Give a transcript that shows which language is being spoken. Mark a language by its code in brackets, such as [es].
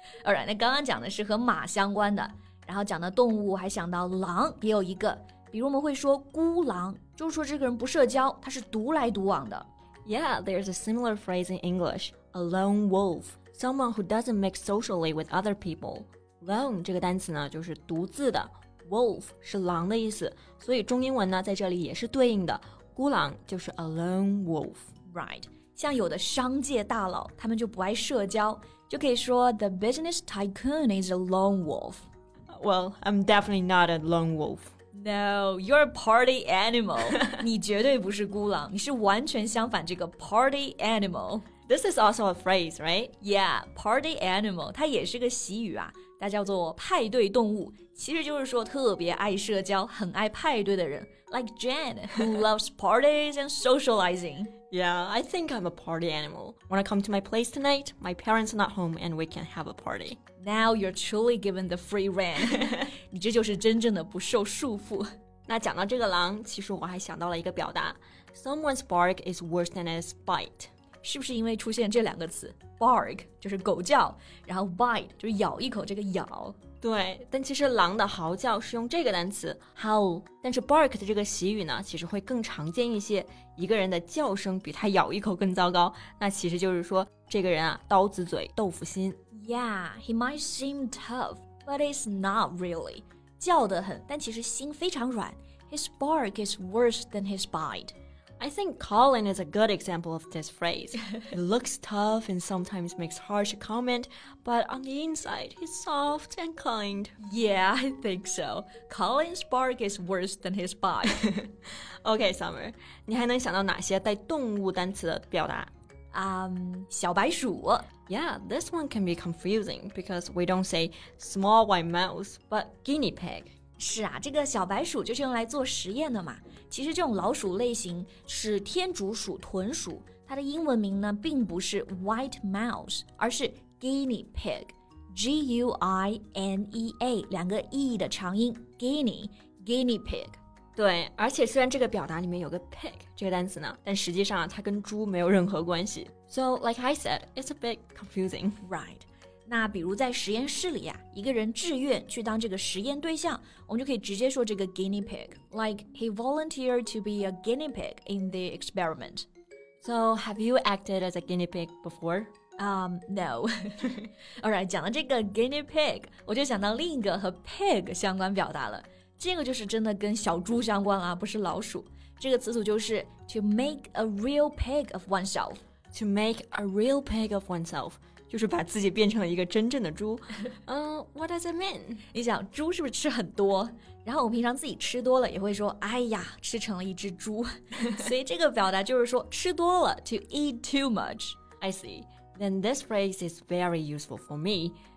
[zh] Alright, 那刚刚讲的是和马相关的，然后讲的动物还想到狼也有一个，比如我们会说孤狼，就是说这个人不社交，他是独来独往的。 [en] Yeah, there's a similar phrase in English, a lone wolf, someone who doesn't mix socially with other people. [zh] Lone 这个单词呢就是独自的。Wolf 是狼的意思，所以中英文呢在这里也是对应的，孤狼就是 a lone wolf. Right, 像有的商界大佬他们就不爱社交，就可以说 [en] the business tycoon is a lone wolf. Well, I'm definitely not a lone wolf. No, you're a party animal. [zh] 你绝对不是孤狼，你是完全相反这个 party animal. [en] This is also a phrase, right? [zh] Yeah, party animal, 它也是个习语啊。它叫做派对动物，其实就是说特别爱社交，很爱派对的人 ， [en] like Jen who loves parties and socializing. Yeah, I think I'm a party animal. When I come to my place tonight, my parents are not home, and we can have a party. Now you're truly given the free rein. [zh] 你这就是真正的不受束缚。那讲到这个狼，其实我还想到了一个表达 ， [en] someone's bark is worse than his bite. [zh] 是不是因为出现这两个词 bark 就是狗叫，然后 bite 就是咬一口这个咬。对，但其实狼的嚎叫是用这个单词 howl， 但是 bark 的这个习语呢其实会更常见一些，一个人的叫声比他咬一口更糟糕，那其实就是说这个人啊刀子嘴豆腐心。 [en] Yeah, he might seem tough, but it's not really. [zh] 叫得很，但其实心非常软。 [en] His bark is worse than his bite. I think Colin is a good example of this phrase. He looks tough and sometimes makes harsh comment, but on the inside, he's soft and kind. Yeah, I think so. Colin's bark is worse than his bite. [zh] Okay, Summer, 你还能想到哪些带动物单词的表达？小白鼠。 [en] Yeah, this one can be confusing because we don't say small white mouse, but guinea pig. [zh] 是啊，这个小白鼠就是用来做实验的嘛。其实这种老鼠类型是天竺鼠、豚鼠，它的英文名呢并不是 white mouse, 而是 guinea pig, G-U-I-N-E-A, 两个 E 的长音 guinea, guinea pig. 对，而且虽然这个表达里面有个 pig 这个单词呢，但实际上它跟猪没有任何关系。 [en] So, like I said, it's a bit confusing. [zh] Right. 那比如在实验室里啊，一个人志愿去当这个实验对象，我们就可以直接说这个 guinea pig. [en] Like, he volunteered to be a guinea pig in the experiment. So, have you acted as a guinea pig before? [zh] No. Alright, 讲到这个 guinea pig, 我就想到另一个和 pig 相关表达了。这个就是真的跟小猪相关了，不是老鼠。这个词组就是 [en] to make a real pig of oneself. To make a real pig of oneself, [zh] 就是把自己变成了一个真正的猪。 [en] What does it mean? [zh] 你想，猪是不是吃很多？然后我平常自己吃多了也会说，哎呀，吃成了一只猪。所以这个表达就是说，吃多了， [en] to eat too much. I see. Then this phrase is very useful for me.